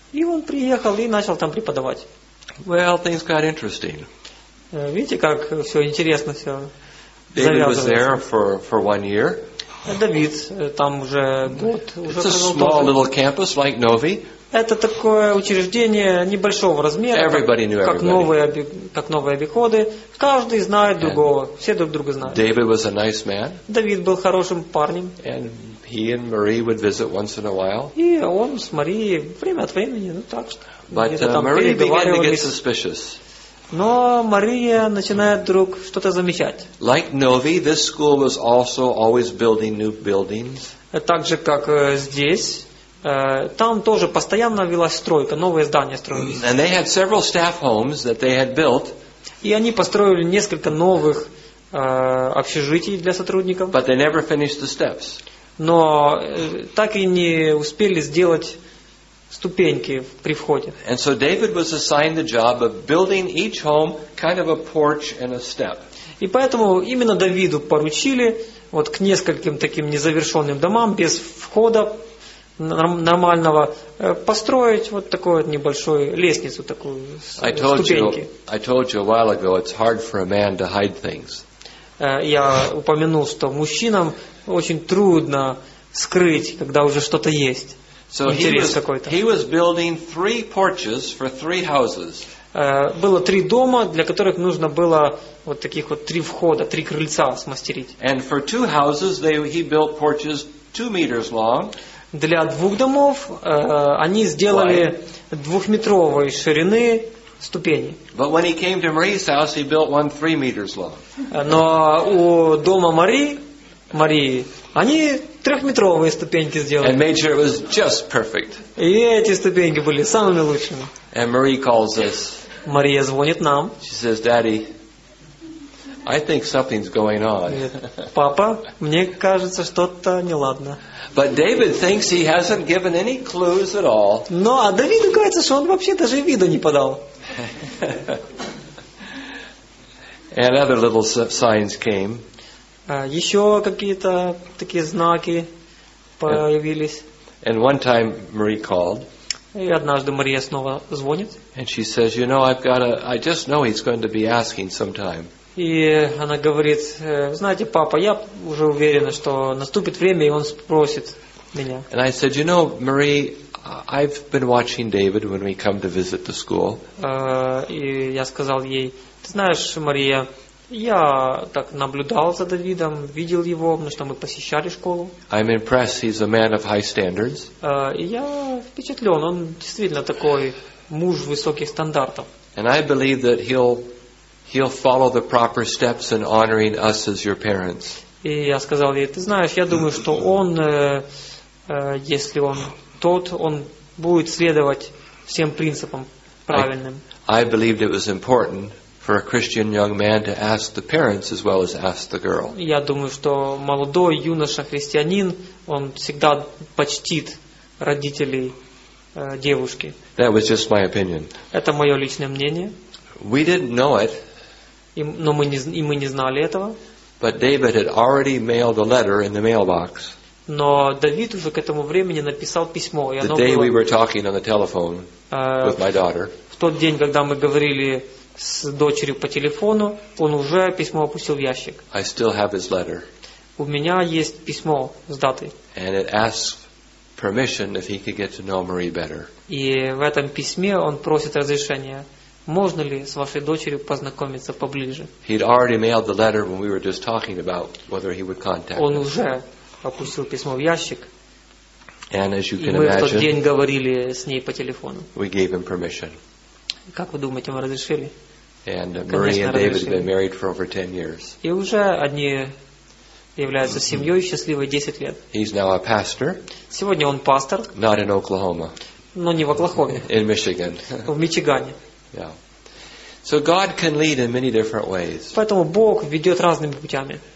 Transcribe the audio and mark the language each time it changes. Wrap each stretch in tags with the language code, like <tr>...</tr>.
<ru>И он приехал и начал там преподавать.</ru> <en>Well, things got interesting.</en> <ru>Видите, как все интересно все.</ru> <en>David was there for 1 year.</en> <ru>Давид там уже год уже провел.</ru> <en>It's a small little campus like Novi.</en> <ru>Это такое учреждение небольшого размера.</ru> <en>Everybody knew everybody.</en> <ru>Как новые обиходы. Каждый знает другого. Все друг друга знают.</ru> <en>David was a nice man.</en> <ru>Давид был хорошим парнем.</ru> <en>And he and Marie would visit once in a while.</en> <ru>И он с Марией время от времени, ну так что.</ru> <en>But Marie began to get suspicious.</en> <ru>Но Мария начинает вдруг что-то замечать.</ru> <en>Like Novi, this school was also always building new buildings.</en> <ru>Так же, как здесь, там тоже постоянно велась стройка, новые здания строились.</ru> <en>And they had several staff homes that they had built.</en> <ru>И они построили несколько новых общежитий для сотрудников.</ru> <en>But they never finished the steps.</en> <ru>Но так и не успели сделать ступеньки при входе.</ru> <en>And so David was assigned the job of building each home kind of a porch and a step.</en> <ru>И поэтому именно Давиду поручили вот к нескольким таким незавершенным домам без входа нормального построить вот такую вот небольшую лестницу, такую ступеньки.</ru> <en>I told you a while ago, it's hard for a man to hide things.</en> <ru>Я упомянул, что мужчинам очень трудно скрыть, когда уже что-то есть.</ru> <en>So he was building three porches for three houses.</en> <ru>Было три дома, для которых нужно было вот таких вот три входа, три крыльца смастерить.</ru> <en>And for two houses, he built porches 2 meters long.</en> <ru>Для двух домов они сделали двухметровой ширины ступени.</ru> <en>But when he came to Marie's house, he built one 3 meters long.</en> <ru>Но у дома Марии они трехметровые ступеньки сделали.</ru> <en>And made sure it was just perfect.</en> <ru>И эти ступеньки были самыми лучшими.</ru> <en>And Marie calls us.</en> <ru>Мария звонит нам.</ru> <en>She says, "Daddy, I think something's going on."</en> <ru>Папа, мне кажется, что-то неладно.</ru> <en>But David thinks he hasn't given any clues at all.</en> <ru>Но а Давиду кажется, что он вообще даже виду не подал.</ru> <en>And other little signs came.</en> <ru>Еще какие-то такие знаки появились.</ru> <en>And one time Marie called.</en> <ru>И однажды Мария снова звонит.</ru> <en>And she says, "You know, I just know he's going to be asking sometime."</en> <ru>И она говорит, знаете, папа, я уже уверена, что наступит время, и он спросит меня.</ru> <en>And I said, "You know, Marie, I've been watching David when we come to visit the school."</en> <ru>И я сказал ей, ты знаешь, Мария, я так наблюдал за Давидом, видел его, потому что мы посещали школу.</ru> <en>I'm impressed. He's a man of high standards.</en> <ru>И я впечатлен. Он действительно такой муж высоких стандартов.</ru> <en>And I believe that he'll follow the proper steps in honoring us as your parents.</en> <ru>И я сказал ей, ты знаешь, я думаю, что он, если он тот, он будет следовать всем принципам правильным.</ru> <en>I believed it was important for a Christian young man to ask the parents as well as ask the girl.</en> <ru>Я думаю, что молодой юноша христианин, он всегда почтит родителей девушки.</ru> <en>That was just my opinion.</en> <ru>Это мое личное мнение.</ru> <en>We didn't know it.</en> <ru>Но мы не знали этого.</ru> <en>But David had already mailed a letter in the mailbox.</en> <ru>Но Давид уже к этому времени написал письмо, и оно было.</ru> <en>The day we were talking on the telephone with my daughter.</en> <ru>В тот день, когда мы говорили с дочерью по телефону, он уже письмо опустил в ящик.</ru> <en>I still have his letter.</en> <ru>У меня есть письмо с датой.</ru> <en>And it asks permission if he could get to know Marie better.</en> <ru>И в этом письме он просит разрешения. Можно ли с вашей дочерью познакомиться поближе?</ru> <en>He'd already mailed the letter when we were just talking about whether he would contact us.</en> <ru>Он уже опустил письмо в ящик.</ru> <en>And as you</en> <ru>и</ru> <en>can</en> <ru>мы</ru> <en>imagine,</en> <ru>в тот день говорили с ней по телефону.</ru> <en>We gave him permission.</en> <ru>Как вы думаете, мы разрешили?</ru> <en>And Marie and David have been married for over 10 years.</en> <ru>И уже они являются семьей счастливой 10 лет.</ru> <en>He's now a pastor.</en> <ru>Сегодня он пастор.</ru> <en>Not in Oklahoma.</en> <ru>Но не в Оклахоме.</ru> <en>In Michigan.</en> <ru>В Мичигане.</ru> <en>Yeah. So God can lead in many different ways.</en> <ru>Поэтому Бог ведет разными путями.</ru>